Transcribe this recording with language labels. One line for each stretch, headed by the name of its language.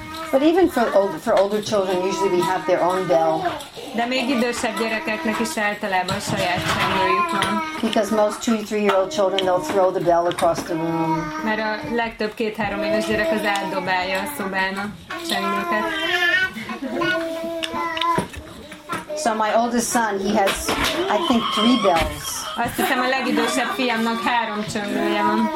English: But even for older children, usually we have their own bell.
Hungarian: De még idősebb gyerekeknek is általában saját csengőjük van.
English: Because most 2-3-year-old children, they'll throw the bell across the room.
Hungarian: Mert a legtöbb 2-3 éves gyerek az átdobálja a szobán a csengőket.
English: So my oldest son, he has, I think, 3 bells.
Hungarian: Azt hiszem, a legidősebb fiamnak 3 csengője van.